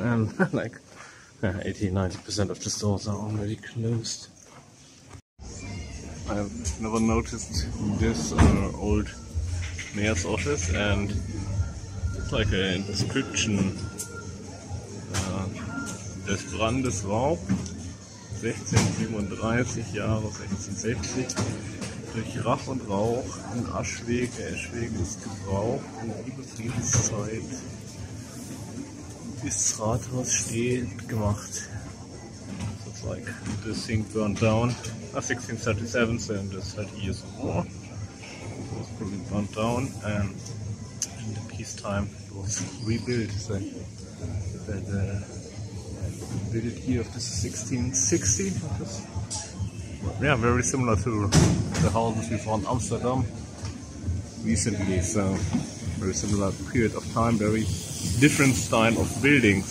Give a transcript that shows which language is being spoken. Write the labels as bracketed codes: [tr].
[en] and like 80-90% of the stores are already closed. I've never noticed this old mayor's office, and it's like a inscription. [de] Des Brandes Raub. 1637 Jahre, 1660, durch Rach und Rauch, in Aschwege, Eschwege ist gebraucht, in Überfriedenszeit, ist das Rathaus stehend gemacht. [en] So it's like, the thing burned down, 1637, so in the 30 years of war, it was probably burned down, and in the peacetime it was rebuilt, so that, the validity of the 1660, yeah, very similar to the houses we found in Amsterdam recently, so very similar period of time, very different style of building.